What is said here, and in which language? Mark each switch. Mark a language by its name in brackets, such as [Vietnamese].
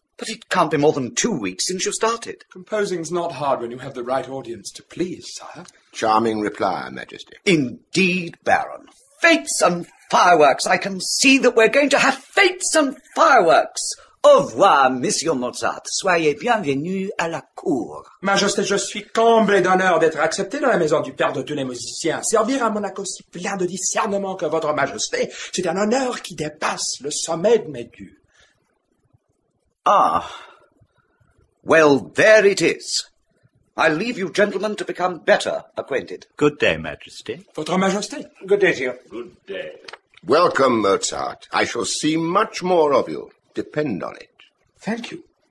[English] But it can't be more than 2 weeks since you started. Composing's not hard when you have the right audience to please, sire. Charming reply, Majesty. Indeed, Baron. Fetes and fireworks. I can see that we're going to have fetes and fireworks. [French] Au revoir, Monsieur Mozart. Soyez bienvenue à la cour. Majesté, je suis comblé d'honneur d'être accepté dans la maison du père de tous les musiciens. Servir à Monaco si plein de discernement que votre Majesté, c'est un honneur qui dépasse le sommet de mes dieux. [English] Ah, well, there it is. I leave you gentlemen to become better acquainted. Good day, Majesty. [French] Votre Majesté. [English] Good day to you. Good day. Welcome, Mozart. I shall see much more of you. Depend on it. Thank you.